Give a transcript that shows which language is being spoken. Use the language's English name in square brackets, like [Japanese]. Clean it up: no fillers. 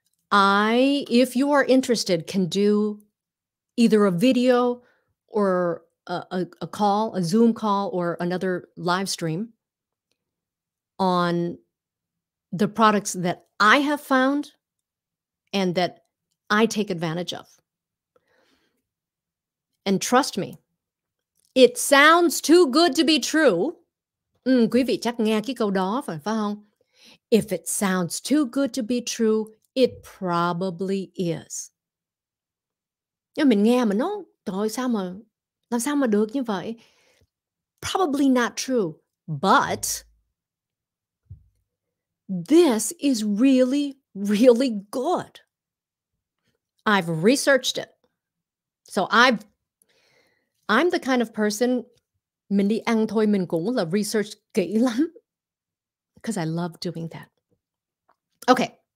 [English] I, if you are interested, can do either a video or a call, a Zoom call, or another live stream on the products that I have found and that I take advantage of. And trust me, it sounds too good to be true. [Vietnamese] Quý vị chắc nghe cái câu đó phải không? [English] If it sounds too good to be true, it probably is. [Vietnamese] Nhưng mình nghe mà nó, trời sao mà, làm sao mà được như vậy? [English] Probably not true, but this is really, really good. I've researched it. So I'm the kind of person, [Vietnamese] mình đi ăn thôi mình cũng là research kỹ lắm, [English] because I love doing that. Okay.